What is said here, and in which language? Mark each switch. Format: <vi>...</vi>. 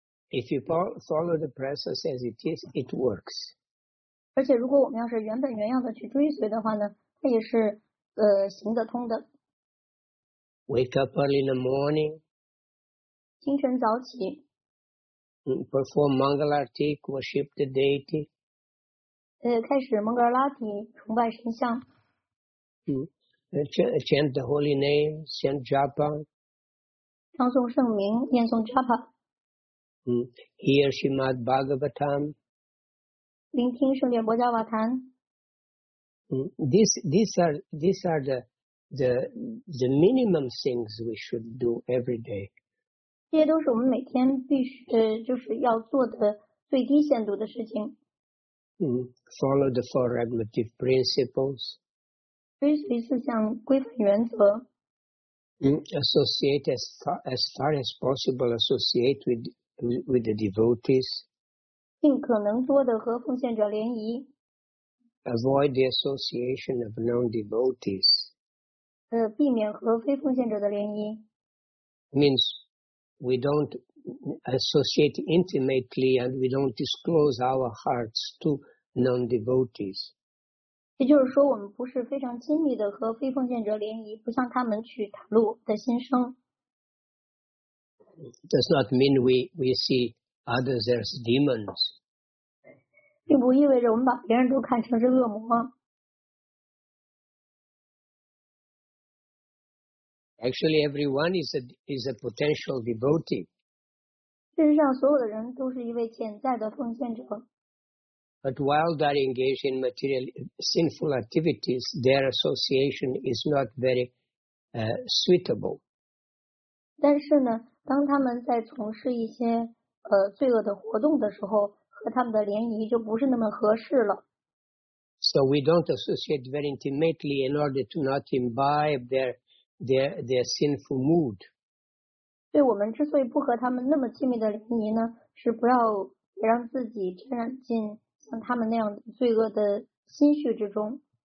<en>If you follow the process as it is, it works.</en> <zh>而且如果我们要是原本原样的去追随的话呢，它也是行得通的。</zh> <en>Wake up early in the morning.</en> <zh>清晨早起。</zh> <en>Perform Mangal Arati, worship the deity.</en> <zh>开始蒙格拉提，崇拜神像。</zh> <en>Chant the holy name, chant Japa.</en> <zh>唱诵圣名，念诵 Japa.</zh> <en>Hear Srimad Bhagavatam.</en> <zh>聆听圣典博迦瓦坛。</zh> <en>These are the minimum things we should do every day.</en> <zh>这些都是我们每天必须就是要做的最低限度的事情。</zh> <en>Follow the four regulative principles.</en> <zh>追随四项规范原则。</zh> <en>Associate as far as possible. Associate with the devotees.</en> <zh>尽可能多的和奉献者联谊。</zh> <en>Avoid the association of non-devotees.</en> <zh>避免和非奉献者的联谊。</zh> <en>Means we don't associate intimately and we don't disclose our hearts to non-devotees.</en> <zh>也就是说，我们不是非常亲密的和非奉献者联谊，不向他们去袒露的心声。</zh> <en>Does not mean we see others as demons.</en> <zh>并不意味着我们把别人都看成是恶魔。</zh> <en>Actually, everyone is a potential devotee.</en> <zh>事实上，所有的人都是一位潜在的奉献者。</zh> <en>But while they are engaged in material sinful activities, their association is not very suitable.</en> <zh>但是呢，当他们在从事一些罪恶的活动的时候。和他们的联谊就不是那么合适了。</zh> <en>So we don't associate very intimately in order to not imbibe their sinful mood.</en> <zh>对我们之所以不和他们那么亲密的联谊呢，是不要让自己沾染进像他们那样的罪恶的心绪之中。</zh>